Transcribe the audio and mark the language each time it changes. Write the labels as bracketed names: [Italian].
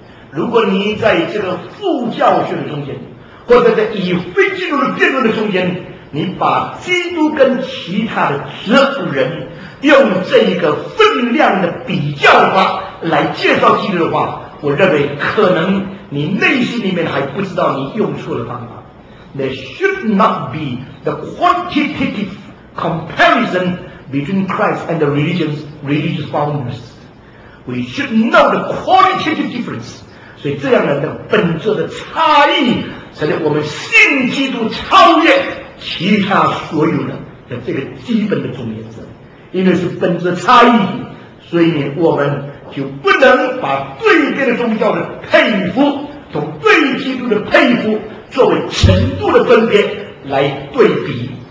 [Chinese] 如果你在这个副教学的中间，或者在以非基督的辩论的中间，你把基督跟其他的哲人用这一个分量的比较的话来介绍基督的话，我认为可能你内心里面还不知道你用错了方法。 [English] There should not be the quantitative comparisonBetween Christ and the religious founders, we should know the qualitative difference. [Chinese] 所以这样的本质的差异，才能我们信基督超越其他所有的这个基本的总原则。因为是本质差异，所以我们就不能把对别的宗教的佩服同对基督的佩服作为程度的分别来对比。